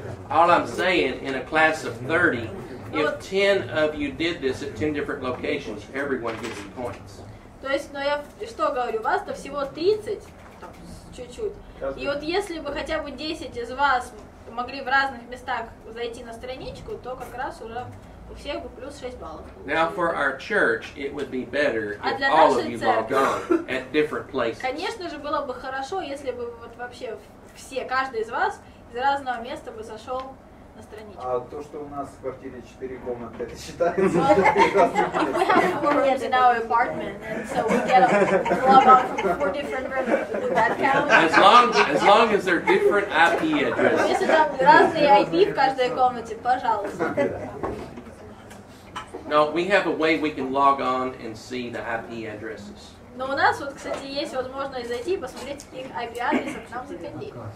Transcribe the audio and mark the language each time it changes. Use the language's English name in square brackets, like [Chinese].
[English] All I'm saying, in a class of 30, if 10 of you did this at 10 different locations, everyone gets points. [Russian] То есть, ну я что говорю, у вас-то всего 30. Чуть-чуть. И вот если бы хотя бы 10 из вас могли в разных местах зайти на страничку, то как раз уже у всех бы плюс 6 баллов. [English] Now for our church, it would be better if а all of you logged on at different places. [Russian] Конечно же, было бы хорошо, если бы вот вообще все, каждый из вас из разного места бы зашел на страничку. А то, что у нас в квартире 4 комнаты, это считается? [English] We have 4 rooms in our apartment, and so we get logged on from 4 different rooms. As long as they're different IP addresses. [Russian] Если там разные IP в каждой комнате, пожалуйста. [English] No, we have a way we can log on and see the IP addresses. [Russian] Но у нас вот, кстати, есть возможность зайти и посмотреть, каких IP адресов к нам заходили.